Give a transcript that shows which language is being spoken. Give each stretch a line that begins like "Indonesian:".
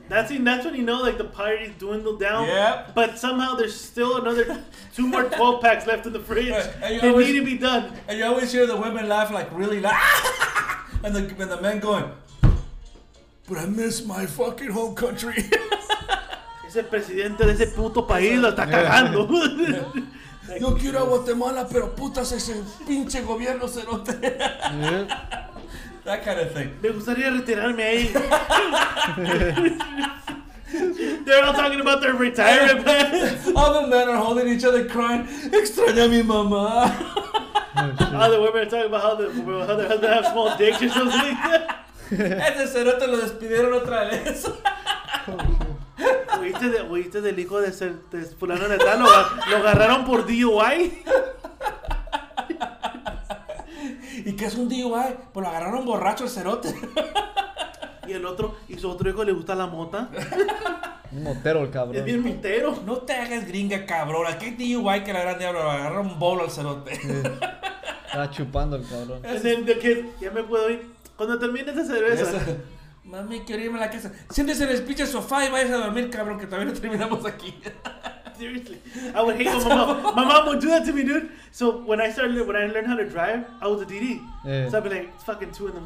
English: That's when you know, like, the party's dwindled down. Yeah. But somehow there's still another two more 12 packs left in the fridge. They need to be done. And you always hear the women laugh, like, really loud. and the men going, but I miss my fucking home country.
Spanish: El presidente de ese puto país lo está cagando.
English: Yeah.
Spanish: Yo quiero a Guatemala, pero putas ese pinche gobierno se lo
English: That kind of thing.
Spanish: Me gustaría retirarme ahí.
English: They're all talking about their retirement plans. All the men are holding each other, crying.
Spanish: Extraña mi mamá.
English: All the women are talking about how their husband has small dicks or something.
Spanish: Ese cerote lo despidieron otra vez. ¿Oíste del hijo de ser de fulano de tal? ¿Lo agarraron por DUI? ¿Y qué es un DUI? Pues lo agarraron borracho el cerote. ¿Y el otro? ¿Y su otro hijo le gusta la mota? Un motero el cabrón. Es bien motero. No te hagas gringa, cabrón. ¿A qué DUI que la gran diablo? Lo agarraron bolo al cerote. Está chupando el cabrón. Ya me puedo ir. Cuando termine esa cerveza... Mami, quiero irme a la casa. Siéntese en el pinche sofá y vayas a dormir, cabrón, que todavía no terminamos aquí.
English: Seriously. I would hate my mom. My mom would do that to me, dude. So when I started, when I learned how to drive, I was a DD. Yeah. So I'd be like, it's fucking 2 a.m.